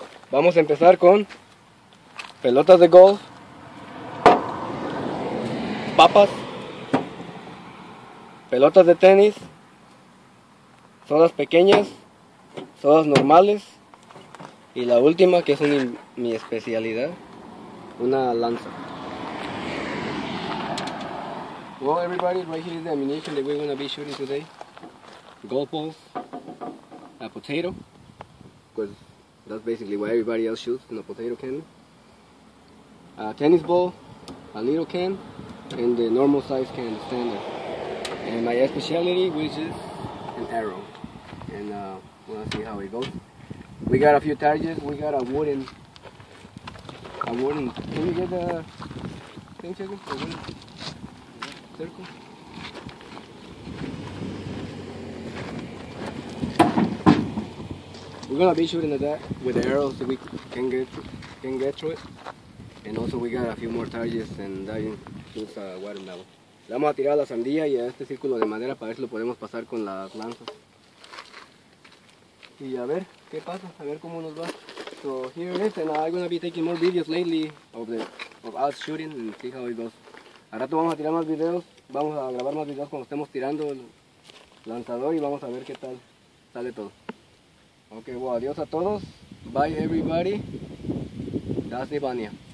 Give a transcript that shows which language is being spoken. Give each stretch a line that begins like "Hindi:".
Spanish: Vamos a empezar con pelotas de golf, papas, pelotas de tenis, sodas pequeñas, sodas normales y la última, que es mi especialidad, una lanza.
English: Well, everybody, right here is the ammunition that we're going to be shooting today. Golf balls, a potato, because that's basically what everybody else shoots in a potato cannon. A tennis ball, a little can, and the normal size can, the standard. And my specialty, which is an arrow. And we'll see how it goes. We got a few targets. We got a wooden, can you get the thing, chicken? A wooden circle? We're gonna be shooting at that with the arrow so we can get through it. And also we got a few more targets and that includes a watermelon.
Spanish: Le vamos a tirar a la sandía y a este círculo de madera para ver si lo podemos pasar con las lanzas. Y a ver qué pasa, a ver cómo nos va.
English: So here it is, and I'm going to be taking more videos lately of us shooting and see how it goes.
Spanish: Al rato vamos a tirar más videos, vamos a grabar más videos cuando estemos tirando el lanzador y vamos a ver qué tal sale todo.
English: Ok, bueno, well,
Spanish: adiós a todos.
English: Bye everybody. That's Ivania.